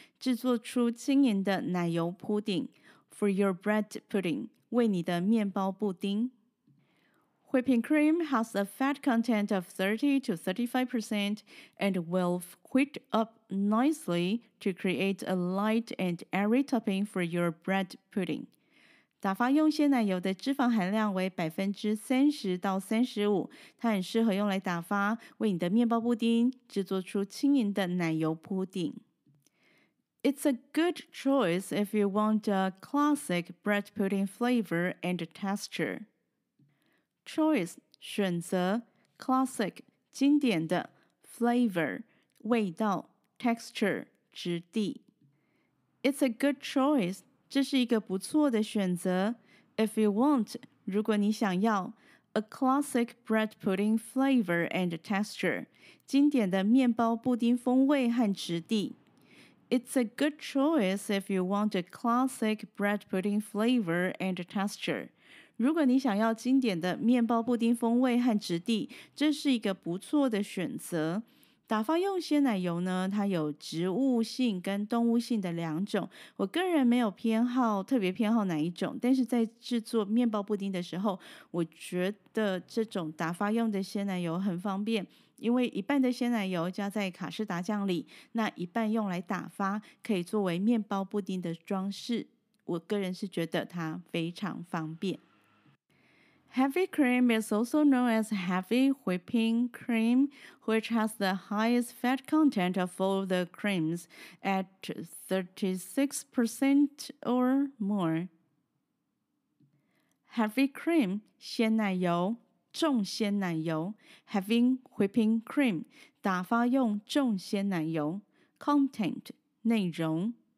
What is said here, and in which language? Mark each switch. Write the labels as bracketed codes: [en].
[zh] 制作出轻盈的奶油铺丁。 [en] For your bread pudding, [zh] 为你的面包布丁。 [en] Whipping cream has a fat content of 30 to 35% and will whip up nicely to create a light and airy topping for your bread pudding. [zh] 打发用鲜奶油的脂肪含量为 30% 到 35%, 它很适合用来打发为你的面包布丁制作出轻盈的奶油铺丁。 [en] It's a good choice if you want a classic bread pudding flavor and texture. Choice, 选择, classic, 经典的, flavor, 味道, texture, 质地。 It's a good choice, [zh] 这是一个不错的选择。 [en] If you want, [zh] 如果你想要, [en] a classic bread pudding flavor and texture, [zh] 经典的面包布丁风味和质地。 [en] It's a good choice if you want a classic bread pudding flavor and texture. [zh] 如果你想要经典的面包布丁风味和质地，这是一个不错的选择。打发用鲜奶油呢，它有植物性跟动物性的两种。我个人没有偏好，特别偏好哪一种，但是在制作面包布丁的时候，我觉得这种打发用的鲜奶油很方便，因为一半的鲜奶油加在卡士达酱里，那一半用来打发，可以作为面包布丁的装饰。我个人是觉得它非常方便。 [en] Heavy cream is also known as heavy whipping cream, which has the highest fat content of all the creams at 36% or more. Heavy cream, 鲜奶油,重鲜奶油, heavy whipping cream, [zh] 打发用重鲜奶油, [en] content, 内容。